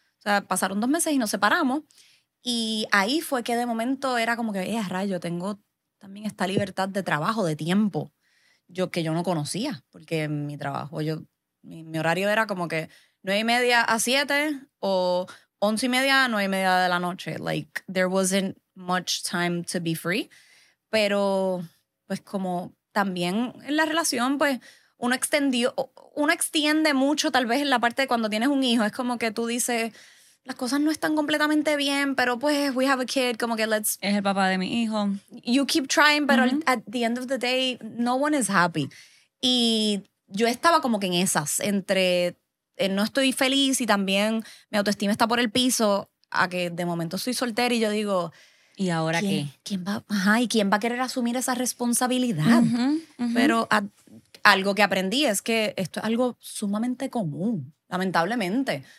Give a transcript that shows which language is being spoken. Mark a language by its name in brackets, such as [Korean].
[Spanish] O sea, pasaron 2 meses y nos separamos. Y ahí fue que de momento era como que, rayo, tengo también esta libertad de trabajo, de tiempo, que yo no conocía, porque mi trabajo, mi horario era como que 9:30 a 7 o 11:30 a 9:30 de la noche. [English] Like, there wasn't much time to be free. [Spanish] Pero, pues como también en la relación, pues uno extiende mucho tal vez en la parte de cuando tienes un hijo. Es como que tú dices, las cosas no están completamente bien, pero pues [English] we have a kid, [Spanish] como que [English] let's... [Spanish] Es el papá de mi hijo. [English] You keep trying, [Spanish] pero [English] mm-hmm. At the end of the day, no one is happy. [Spanish] Y yo estaba como que en esas, entre... no estoy feliz y también mi autoestima está por el piso, a que de momento soy soltera y yo digo, ¿y ahora qué? ¿Y quién va a querer asumir esa responsabilidad? Pero algo que aprendí es que esto es algo sumamente común, lamentablemente.